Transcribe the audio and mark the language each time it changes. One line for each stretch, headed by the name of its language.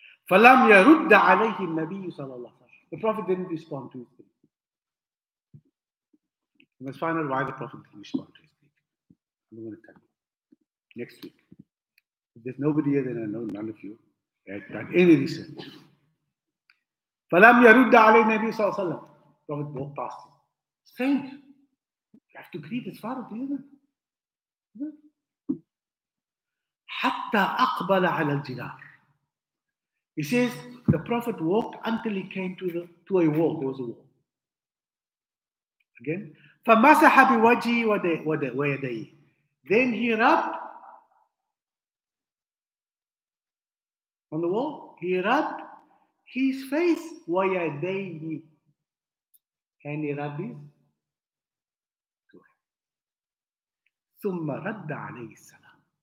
Arabic: فَلَمْ يَرُدَّ عَلَيْهِ النَّبِيُّ صَلَى اللَّهُ عَلَيْهِ وَسَلَّمَ.
English: The Prophet didn't respond to his greeting. You must find out why the Prophet didn't respond to his greeting. I'm going to tell you. Next week. If there's nobody here, then I know none of you have done any research.
Arabic: فَلَمْ يَرُدَّ عَلَيْهِ النَّبِيُّ صَلَى اللَّهُ عَلَيْهِ وَسَلَّمَ.
English: Prophet walked past him. Strange. You have to greet his father, do you know?
Arabic: حتى أقبل على الجدار.
English: He says the Prophet walked until he came to a wall. There was a wall. Again,
Arabic: فمسح بوجهي ويدي.
English: Then he rubbed on the wall. He rubbed his face
Arabic: ويديه.
English: Can he rub his?
Arabic: ثم رد عليه السلام.